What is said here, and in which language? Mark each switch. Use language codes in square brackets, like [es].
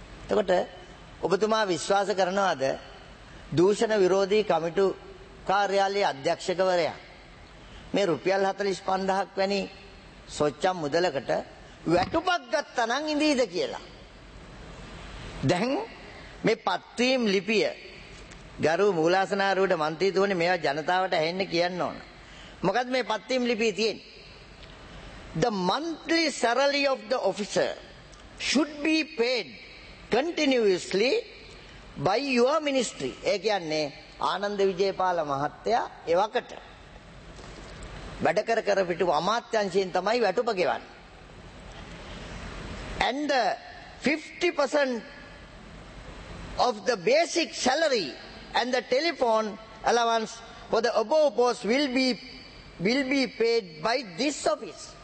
[si] එතකොට ඔබතුමා විශ්වාස කරනවාද දූෂණ විරෝධී කමිටු කාර්යාලයේ අධ්‍යක්ෂකවරයා මේ රුපියල් 45,000ක් වැනි සොච්චම් මුදලකට වැටුපක් ගත්තා නම් ඉඳීද කියලා? දැන් මේ පත්වීම් ලිපිය ගරු මූලාසනාරූඪ මන්ත්‍රීතුමනි මේවා ජනතාවට ඇහෙන්න කියන්න ඕන. මොකද මේ පත්වීම් ලිපිය තියෙන්නේ [en] The monthly salary of the officer should be paid continuously by your ministry. [si] ඒ කියන්නේ ආනන්ද විජේපාල මහත්තයා එවකට වැඩ කර කර පිටු අමාත්‍යංශයෙන් තමයි වැටුප ගෙවන්නේ. [en] And the 50% of the basic salary and the telephone allowance for the above post will be paid by this office.